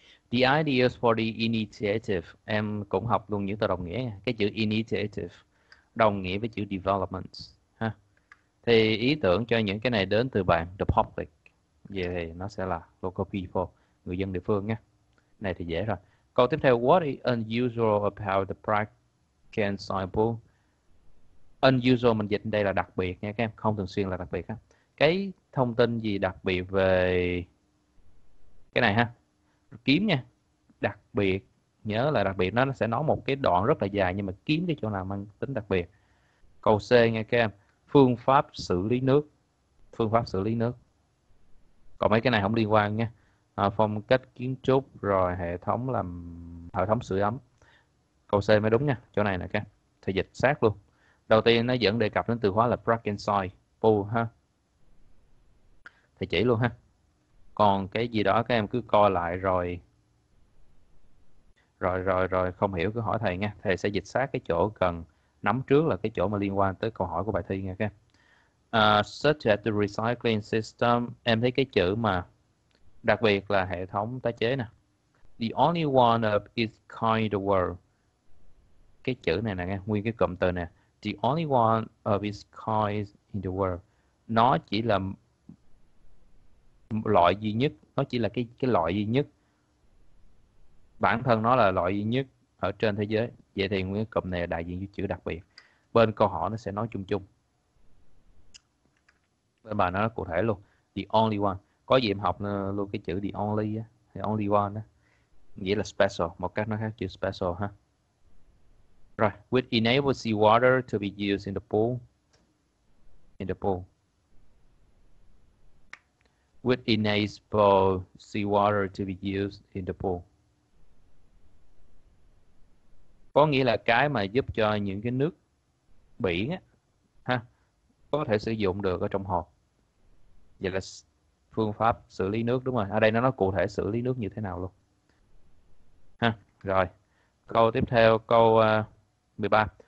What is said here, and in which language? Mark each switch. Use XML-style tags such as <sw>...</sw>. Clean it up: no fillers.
<en>The ideas for the initiative.</en> <vi>Em cũng học luôn những từ đồng nghĩa nha. Cái chữ initiative đồng nghĩa với chữ development. Thì ý tưởng cho những cái này đến từ bạn, the public. Vậy thì nó sẽ là local people, người dân địa phương nha. Này thì dễ rồi. Câu tiếp theo,</vi> <en>what is unusual about the Bright Cancer Pool?</en> <vi>Unusual mình dịch đây là đặc biệt nha các em, không thường xuyên là đặc biệt á. Cái thông tin gì đặc biệt về cái này ha? Kiếm nha. Đặc biệt, nhớ là đặc biệt, nó sẽ nói một cái đoạn rất là dài nhưng mà kiếm cái chỗ nào mang tính đặc biệt. Câu C nha các em. Phương pháp xử lý nước, phương pháp xử lý nước. Còn mấy cái này không liên quan nha. Phong cách kiến trúc, rồi hệ thống làm, hệ thống sưởi ấm. Câu C mới đúng nha, chỗ này nè các. Thì dịch sát luôn. Đầu tiên nó vẫn đề cập đến từ khóa là Brackenside Pool ha. Thì chỉ luôn ha. Còn cái gì đó các em cứ coi lại rồi. Rồi, không hiểu cứ hỏi thầy nha. Thầy sẽ dịch sát cái chỗ cần nắm trước, là cái chỗ mà liên quan tới câu hỏi của bài thi nha các em.</vi> <en>Such as the recycling system.</en> <vi>Em thấy cái chữ mà đặc biệt là hệ thống tái chế nè.</vi> <en>The only one of its kind in the world.</en> <vi>Cái chữ này nè, nguyên cái cụm từ nè.</vi> <en>The only one of its kind in the world.</en> <vi>Nó chỉ là loại duy nhất, nó chỉ là cái loại duy nhất. Bản thân nó là loại duy nhất ở trên thế giới. Vậy thì nguyên cái cụm này đại diện cho chữ đặc biệt. Bên câu hỏi nó sẽ nói chung chung. Bên bài nó cụ thể luôn. The only one. Có gì em học luôn cái chữ the only á. The only one á. Nghĩa là special. Một cách nó khác chữ special ha. Rồi.</vi> <en>Which enables the water to be used in the pool. In the pool. Which enables the water to be used in the pool.</en> <vi>Có nghĩa là cái mà giúp cho những cái nước biển á, có thể sử dụng được ở trong hồ. Vậy là phương pháp xử lý nước, đúng rồi. Ở đây nó nói cụ thể xử lý nước như thế nào luôn. Ha, rồi. Câu tiếp theo, câu 13.</vi>